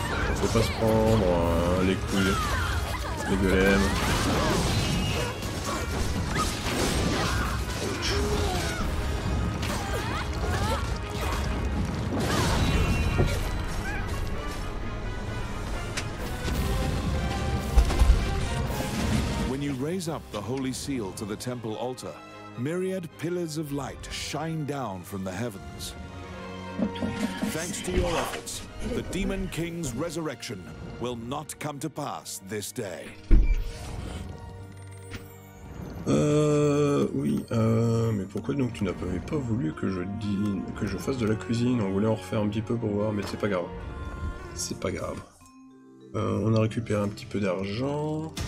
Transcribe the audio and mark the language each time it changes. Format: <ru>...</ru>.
<fr>On peut pas se prendre les couilles, les golems.</fr> <en>When you raise up the holy seal to the temple altar. Myriad pillars of light shine down from the heavens. Thanks to your efforts, the Demon King's resurrection will not come to pass this day.</en> <fr>Mais pourquoi donc tu n'avais pas voulu que je dîne, que je fasse de la cuisine? On voulait en refaire un petit peu pour voir, mais c'est pas grave. C'est pas grave. On a récupéré un petit peu d'argent.</fr>